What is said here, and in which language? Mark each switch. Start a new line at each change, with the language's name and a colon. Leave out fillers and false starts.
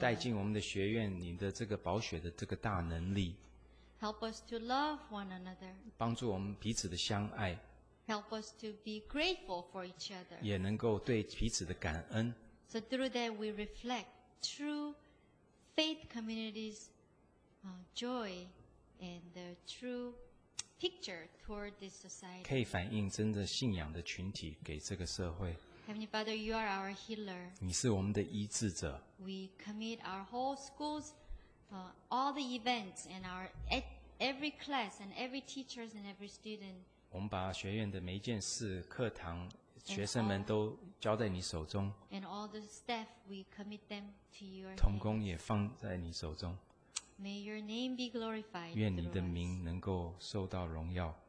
Chinese: 带进我们的学院，你的这个宝血的这个大能力。
English: Help us to love one another.
Chinese: 帮助我们彼此的相爱。
English: Help us to be grateful for each other.
Chinese: 也能够对彼此的感恩。
English: So through that we reflect true faith community's joy and the true picture toward this society.
Chinese: 可以反映真的信仰的群体给这个社会。
English: Heavenly Father, you are our healer.
Chinese: 你是我们的医治者。
English: We commit our whole school'sall the events and our every class and every teachers and every student.
Chinese: 我们把学院的每一件事、课堂、学生们都交在你手中。
English: And all the staff, we commit them to your hands.
Chinese: 同工也放在你手中。
English: May your name be glorified.
Chinese: 愿你的名能够受到荣耀。